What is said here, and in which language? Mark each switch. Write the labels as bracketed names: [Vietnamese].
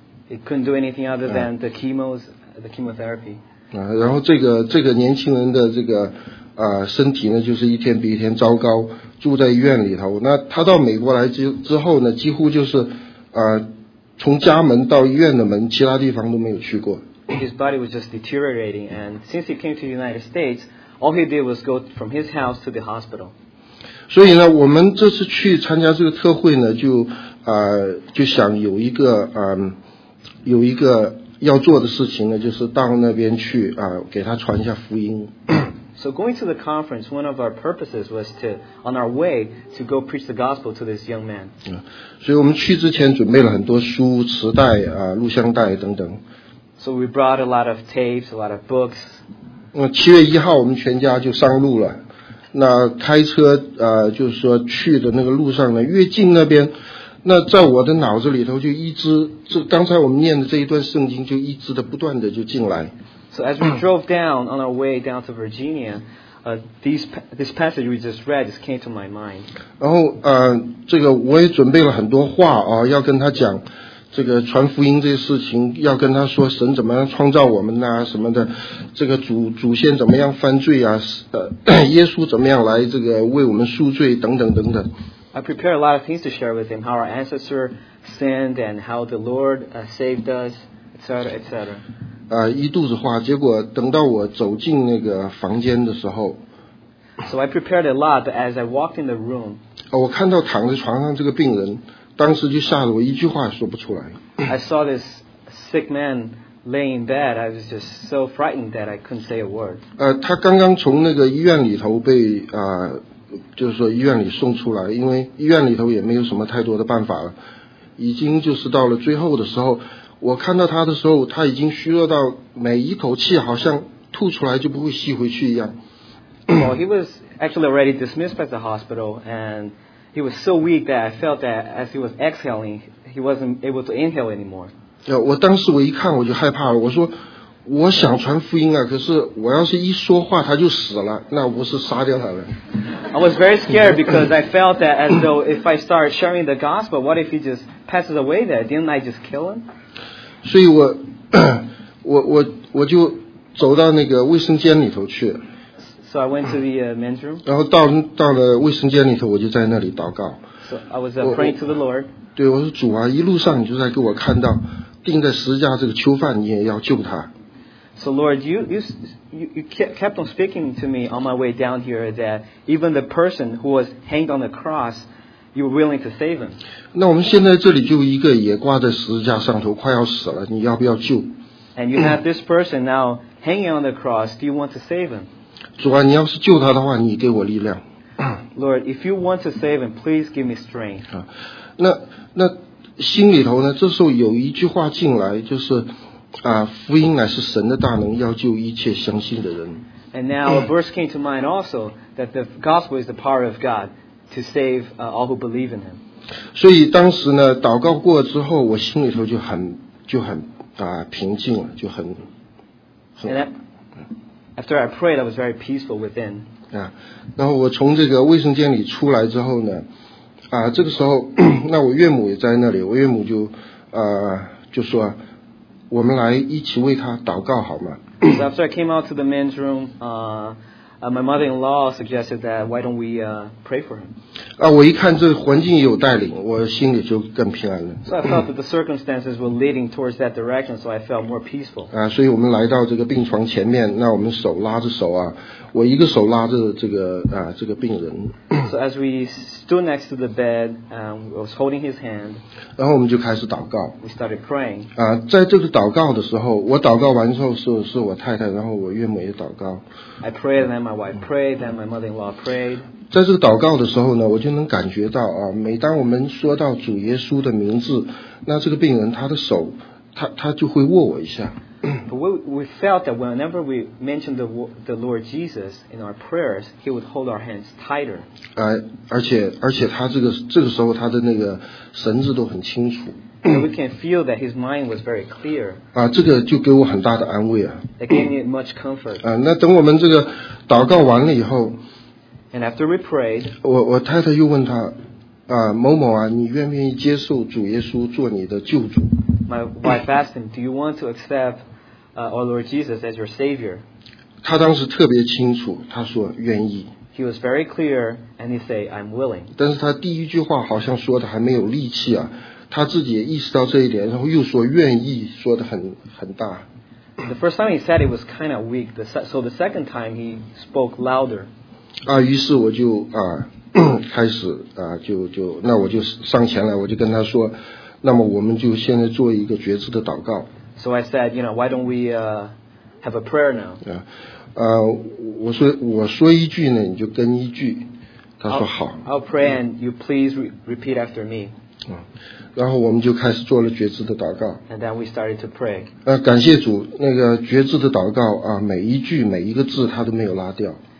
[English] It couldn't do anything other than the chemos, the chemotherapy. [Chinese] 然后这个年轻人的这个身体呢，就是一天比一天糟糕，住在医院里头。那他到美国来之后呢，几乎就是从家门到医院的门，其他地方都没有去过。 [English] His body was just deteriorating, and since he came to the United States, all he did was go from his house to the hospital. [Chinese] 所以呢，我们这次去参加这个特会呢，就想有一个有一个要做的事情呢，就是到那边去给他传一下福音。 [English] So going to the conference, one of our purposes was to, on our way, to go preach the gospel to this young man. [Chinese] 所以我们去之前准备了很多书、磁带、录像带等等。 [English] So we brought a lot of tapes, a lot of books. [Chinese] 七月一号我们全家就上路了。那开车就是说去的那个路上呢，越近那边，那在我的脑子里头就一直，这刚才我们念的这一段圣经就一直的不断的就进来。 [English] So as we drove down on our way down to Virginia, this passage we just read just came to my mind. [Chinese] 然后这个我也准备了很多话要跟他讲这个传福音这些事情，要跟他说神怎么样创造我们啊什么的，这个祖先怎么样犯罪啊，耶稣怎么样来这个为我们赎罪等等等等。 [English] I prepared a lot of things to share with him, how our ancestor sinned and how the Lord saved us, etc., etc. [Chinese] 一肚子话，结果等到我走进那个房间的时候 [English] ，So I prepared a lot, but as I walked in the room, [Chinese] 我看到躺在床上这个病人，当时就吓得我一句话说不出来。 [English] I saw this sick man laying in bed. I was just so frightened that I couldn't say a word. [Chinese] 他刚刚从那个医院里头被就是说医院里送出来，因为医院里头也没有什么太多的办法了，已经就是到了最后的时候，我看到他的时候，他已经虚弱到每一口气好像吐出来就不会吸回去一样。 [English] Well, he was actually already dismissed by the hospital, and he was so weak that I felt that as he was exhaling, he wasn't able to inhale anymore. 我当时我一看我就害怕了，我说我想传福音啊，可是我要是一说话他就死了，那不是杀掉他了。 I was very scared because I felt that as though if I start sharing the gospel, what if he just passes away there? Didn't I just kill him? [Chinese] 所以我就走到那个卫生间里头去。 [English] So I went to the men's room. [Chinese] 然后到了卫生间里头，我就在那里祷告。 [English] So I was praying to the Lord. [Chinese] 对，我说主啊，一路上你就在给我看到钉在十字架这个囚犯，你也要救他。 [English] So Lord, you kept on speaking to me on my way down here that even the person who was hanged on the cross, you were willing to save him. [Chinese] 那我们现在这里就一个也挂在十字架上头，快要死了，你要不要救？ [English] And you have this person now hanging on the cross. Do you want to save him? [Chinese] 主啊，你要是救他的话，你给我力量。 [English] Lord, if you want to save him, please give me strength. [Chinese] 那心里头呢，这时候有一句话进来，就是福音乃是神的大能，要救一切相信的人。 [English] And now a verse came to mind also that the gospel is the power of God to save all who believe in Him. [Chinese] 所以当时呢，祷告过之后，我心里头就很平静了，就很。 [English] And after I prayed, I was very peaceful within. [Chinese] 然后我从这个卫生间里出来之后呢，这个时候，那我岳母也在那里，我岳母就说，我们来一起为他祷告好吗？ [English] So after I came out to the men's room, my mother-in-law suggested that why don't we pray for him? [Chinese] 我一看这环境有带领，我心里就更平安了。 [English] So I felt that the circumstances were leading towards that direction, so I felt more peaceful. [Chinese] 所以我们来到这个病床前面，那我们手拉着手我一个手拉着这个病人。 [English] So as we stood next to the bed, I was holding his hand. [Chinese] 然后我们就开始祷告。 [English] We started praying. [Chinese] 在这个祷告的时候，我祷告完之后是我太太，然后我岳母也祷告。 [English] I prayed, then my wife prayed, then my mother-in-law prayed. [Chinese] 在这个祷告的时候呢，我就能感觉到每当我们说到主耶稣的名字，那这个病人他的手，他就会握我一下。 [English] But we felt that whenever we mentioned the Lord Jesus in our prayers, He would hold our hands tighter. [Chinese] 而且他这个时候他的那个神志都很清楚。 [English] we can feel that his mind was very clear. [Chinese] 啊，这个就给我很大的安慰啊。 [English] It gave me much comfort. [Chinese] 啊，那等我们这个祷告完了以后。 [English] And after we prayed, [Chinese] 我太太又问他，啊，某某啊，你愿不愿意接受主耶稣做你的救主？ [English] My wife asked him, "Do you want to accept, our Lord Jesus as your Savior?" [Chinese] 他当时特别清楚，他说愿意。 [English] He was very clear, and he said, "I'm willing." [Chinese] 但是他第一句话好像说的还没有力气啊，他自己也意识到这一点，然后又说愿意，说的很大。 [English] The first time he said it was kind of weak, so the second time he spoke louder. [Chinese] 啊，于是我就啊开始啊就那我就上前来，我就跟他说，那么我们就现在做一个决志的祷告。 [English] So I said, you know, why don't we have a prayer now? [Chinese] 啊。我说一句呢，你就跟一句。他说好。 [English] I'll pray and you please repeat after me. [Chinese] 然后我们就开始做了决志的祷告。 [English] And then we started to pray. [Chinese] 感谢主，那个决志的祷告啊，每一句每一个字他都没有拉掉。